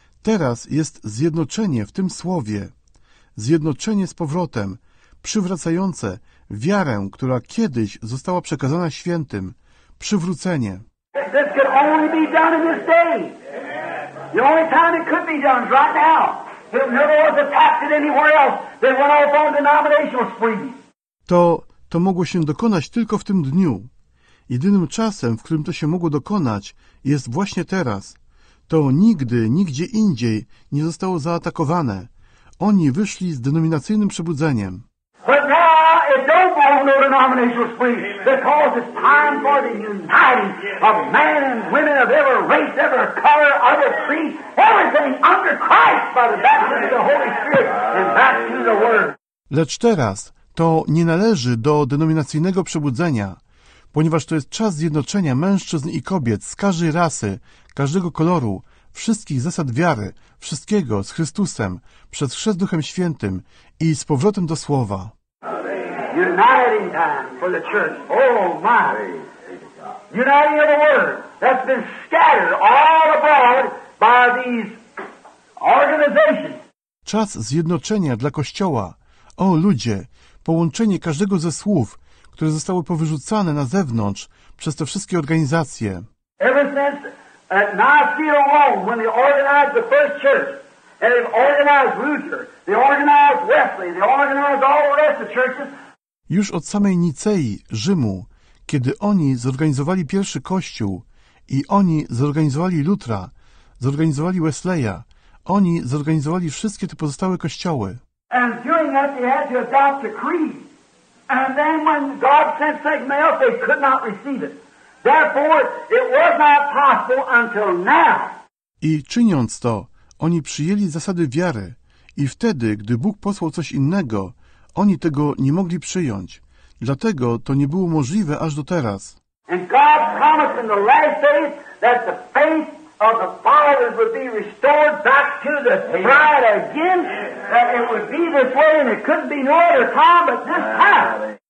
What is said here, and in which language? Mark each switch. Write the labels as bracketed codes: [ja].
[pl] Teraz jest zjednoczenie w tym słowie. Zjednoczenie z powrotem. Przywracające wiarę, która kiedyś została przekazana świętym. Przywrócenie. [en] This could only be done in this day. The only time it could be done is right now. If it never was attacked anywhere else, they went off on denominational spree. [pl] To mogło się dokonać tylko w tym dniu. Jedynym czasem, w którym to się mogło dokonać, jest właśnie teraz. To nigdy, nigdzie indziej nie zostało zaatakowane. Oni wyszli z denominacyjnym przebudzeniem. [en] But now it don't belong to no denominational spring. Amen. Because it's time for the uniting of men and women of every race, every color, every creed, everything under Christ by the baptism of the Holy Spirit and baptism of the Word. [pl] Lecz teraz to nie należy do denominacyjnego przebudzenia, ponieważ to jest czas zjednoczenia mężczyzn i kobiet z każdej rasy, każdego koloru, wszystkich zasad wiary, wszystkiego z Chrystusem, przez chrzest Duchem Świętym i z powrotem do Słowa. [en] Uniting time for the church. Oh my! Uniting of the word that's been scattered all abroad by these organizations. [pl] Czas zjednoczenia dla Kościoła. O ludzie, połączenie każdego ze słów, które zostały powyrzucane na zewnątrz przez te wszystkie organizacje. [en] Ever since at Nicaea alone, when they organized the first church, and they organized Luther, they organized Wesley, they organized all the rest of the churches. [pl] Już od samej Nicei, Rzymu, kiedy oni zorganizowali pierwszy kościół i oni zorganizowali Lutra, zorganizowali Wesleya, oni zorganizowali wszystkie te pozostałe kościoły. [en] And during that they had to adopt the creed. And then when God sent Satan mail, they could not receive it. Therefore, it was not possible until now. [pl] I czyniąc to, oni przyjęli zasady wiary i wtedy, gdy Bóg posłał coś innego, oni tego nie mogli przyjąć. Dlatego to nie było możliwe aż do teraz. [en] And God promised in the last days that the faith of the fathers would be restored back to the bride again, that it would be this way and it couldn't be no other time but this time.